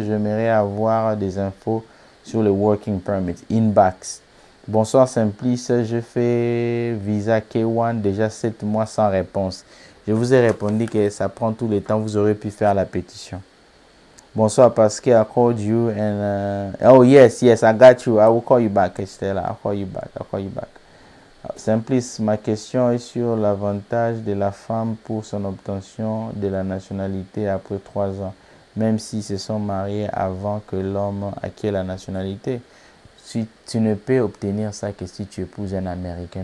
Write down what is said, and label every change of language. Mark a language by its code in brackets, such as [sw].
[fr] J'aimerais avoir des infos sur le working permit, inbox. Bonsoir Simplice, je fais visa K1 déjà 7 mois sans réponse. Je vous ai répondu que ça prend tout le temps, vous aurez pu faire la pétition. [en] Bonsoir, Pascal, I called you and... oh, yes, yes, I got you. I will call you back, Estella. I'll call you back, I'll call you back. [fr] Simplice, ma question est sur l'avantage de la femme pour son obtention de la nationalité après 3 ans, même s'ils se sont mariés avant que l'homme acquiert la nationalité. Si tu ne peux obtenir ça que si tu épouses un Américain.